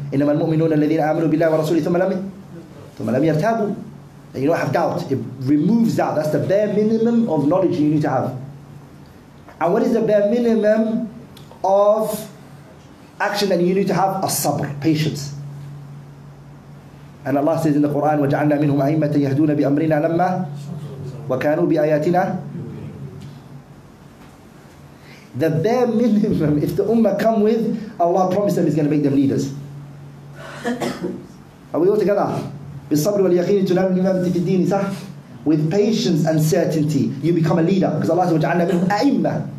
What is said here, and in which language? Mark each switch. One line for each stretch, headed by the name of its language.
Arabic: إِنَّمَا الْمُؤْمِنُونَ الَّذِينَ آمَنُوا بِاللَّهِ وَرَسُولِهِ ثُمَّ لَمْ يَرْتَابُوا.
English: That you don't have doubt. It removes doubt. That's the bare minimum of knowledge you need to have. And what is the bare minimum of action that you need to have? As-sabr, patience. And Allah says in the Quran,
Arabic: وَجَعَلْنَا مِنْهُمْ أَئِمَّةً يَهْدُونَ بِأَمْرِنَا لَمَّا وَكَانُوا بِآيَاتِنَا.
English: The bare minimum, if the ummah come with, Allah promised them he's going to make them leaders. Are we all together?
Arabic: بِالصَّبْرِ وَالْيَقِينِ تُنَالُ الْإِمَامَةِ فِي الدِّينِ.
English: With patience and certainty, you become a leader. Because Allah said,
Arabic: وَجَعَلْنَا مِنْهُمْ أَئِمَّةً.